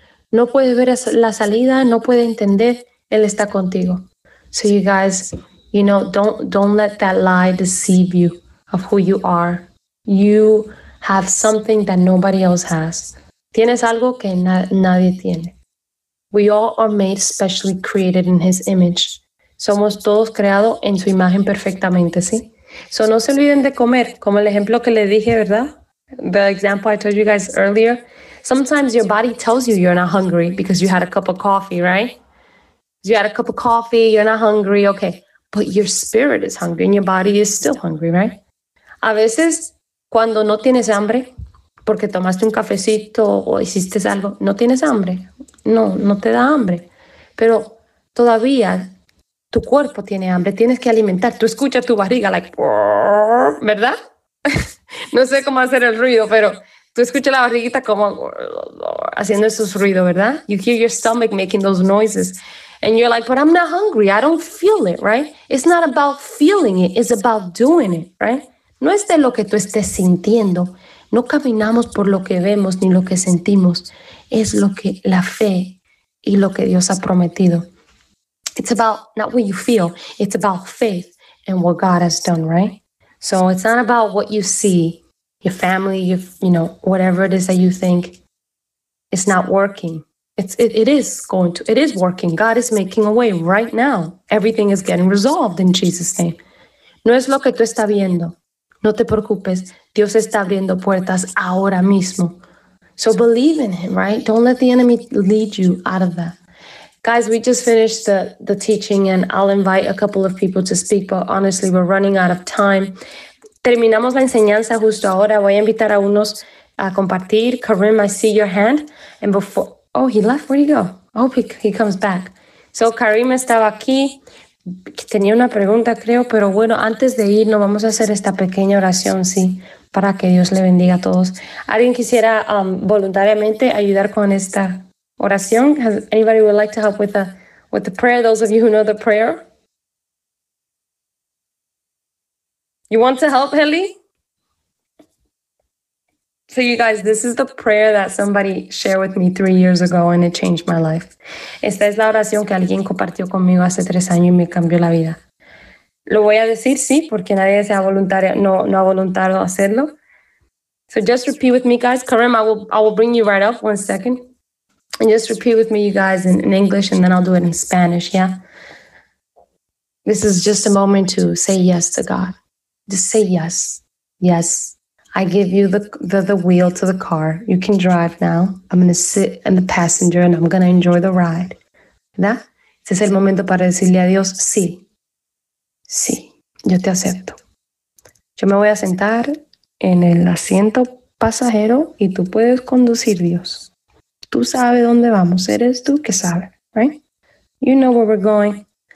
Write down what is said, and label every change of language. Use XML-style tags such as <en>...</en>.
<es>No puedes ver la salida, no puedes entender, Él está contigo.</es> <en>So you guys, you know, don't let that lie deceive you of who you are. You have something that nobody else has.</en> <es>Tienes algo que nadie tiene.</es> <en>We all are made specially created in His image.</en> <es>Somos todos creados en su imagen perfectamente, ¿sí? So no se olviden de comer, como el ejemplo que le dije, ¿verdad?</es> <en>The example I told you guys earlier. Sometimes your body tells you you're not hungry because you had a cup of coffee, right? You had a cup of coffee, you're not hungry, okay. But your spirit is hungry and your body is still hungry, right?</en> <es>A veces, cuando no tienes hambre, porque tomaste un cafecito o hiciste algo, no tienes hambre. No, no te da hambre. Pero todavía tu cuerpo tiene hambre, tienes que alimentar. Tú escuchas tu barriga, like, ¿verdad? No sé cómo hacer el ruido, pero tú escuchas la barriguita como haciendo esos ruidos, ¿verdad?</es> <en>You hear your stomach making those noises. And you're like, but I'm not hungry. I don't feel it, right? It's not about feeling it. It's about doing it, right?</en> <es>No es de lo que tú estés sintiendo. No caminamos por lo que vemos ni lo que sentimos. Es lo que la fe y lo que Dios ha prometido.</es> <en>It's about not what you feel. It's about faith and what God has done, right? So it's not about what you see, your family, your, you know, whatever it is that you think. It's not working. It is working. God is making a way right now. Everything is getting resolved in Jesus' name.</en> <es>No es lo que tú estás viendo. No te preocupes. Dios está abriendo puertas ahora mismo.</es> <en>So believe in him, right? Don't let the enemy lead you out of that. Guys, we just finished the teaching and I'll invite a couple of people to speak, but honestly, we're running out of time.</en> <es>Terminamos la enseñanza justo ahora. Voy a invitar a unos a compartir.</es> <en>Karim, I see your hand. And before, oh, he left. Where'd he go? I hope he comes back. So Karim</en> <es>estaba aquí. Tenía una pregunta, creo, pero bueno, antes de ir, nos vamos a hacer esta pequeña oración, sí, para que Dios le bendiga a todos. ¿Alguien quisiera voluntariamente ayudar con esta oración?</es> <en>Has anybody would like to help with the prayer? Those of you who know the prayer. You want to help, Heli? So you guys, this is the prayer that somebody shared with me 3 years ago and it changed my life.</en> <es>Esta es la oración que alguien compartió conmigo hace 3 años y me cambió la vida. Lo voy a decir, sí, porque nadie sea voluntaria, no ha voluntariado hacerlo.</es> <en>So just repeat with me, guys. Karim, I will bring you right up one second. And just repeat with me, you guys, in English, and then I'll do it in Spanish, yeah? This is just a moment to say yes to God. Just say yes. Yes. I give you the wheel to the car. You can drive now. I'm going to sit in the passenger, and I'm going to enjoy the ride.</en> <es>¿Verdad? Este es el momento para decirle a Dios, sí. Sí, yo te acepto. Yo me voy a sentar en el asiento pasajero y tú puedes conducir, Dios. Tú sabes dónde vamos. Eres tú que sabes,</es> <en>right? You know where we're going.</en>